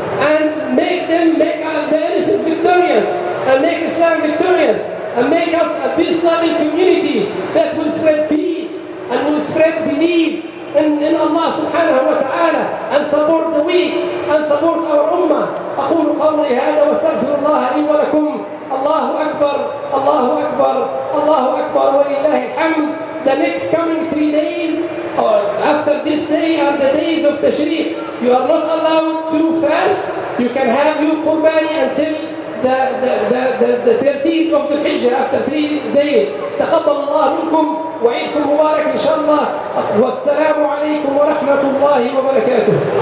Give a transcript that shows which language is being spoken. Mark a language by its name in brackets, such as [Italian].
[English] And make them, make the innocent victorious. And make Islam victorious. And make us a peace-loving community that will spread peace and will spread belief in Allah subhanahu wa ta'ala, and support the weak, and support our ummah. [Arabic] أقول قولي هذا واستغفر الله لي ولكم. الله أكبر الله أكبر الله أكبر ولله الحمد. [English] The next coming 3 days or after this day are the days of Tashriq. You are not allowed to fast. You can have your qurbani until the 13th of the Hijjah, after 3 days. [Arabic] تقبل الله منكم وعيدكم مبارك إن شاء الله. والسلام عليكم ورحمة الله وبركاته.